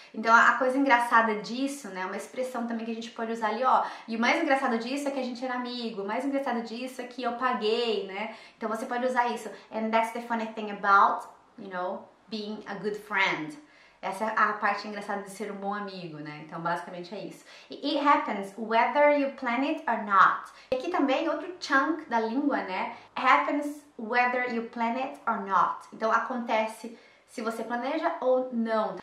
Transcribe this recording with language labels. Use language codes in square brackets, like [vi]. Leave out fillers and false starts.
[pt] Então, a coisa engraçada disso, né? Uma expressão também que a gente pode usar ali, ó. E o mais engraçado disso é que a gente era amigo. O mais engraçado disso é que eu paguei, né? Então, você pode usar isso. [en] And that's the funny thing about, you know, being a good friend. [pt] Essa é a parte engraçada de ser um bom amigo, né? Então, basicamente é isso. [en] It happens whether you plan it or not. [pt] E aqui também, outro chunk da língua, né? [en] Happens whether you plan it or not. [pt] Então, acontece se você planeja ou não.